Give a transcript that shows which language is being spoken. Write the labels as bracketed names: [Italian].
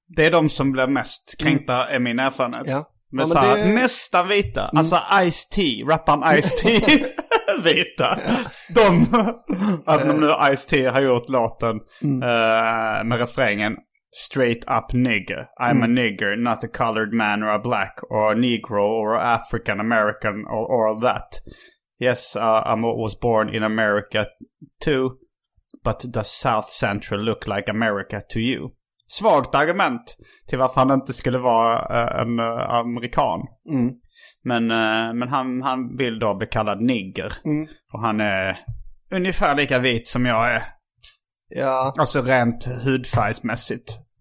[Swedish] Det är de som blir mest kränkta är min erfarenhet. Men så här, det... nästa vita, alltså Ice-T, rapparen Ice-T vita. De även om nu Ice-T har gjort låten med refrängen [English] straight up nigger. I'm a nigger, not a colored man or a black or a negro or a African American or all that. Yes, I'm was born in America too, but does South Central look like America to you? [Swedish] Svagt argument till varför han inte skulle vara en amerikan. Men han vill då bli kallad nigger. Och han är ungefär lika vit som jag är. Ja. Alltså rent hudfärgsmässigt.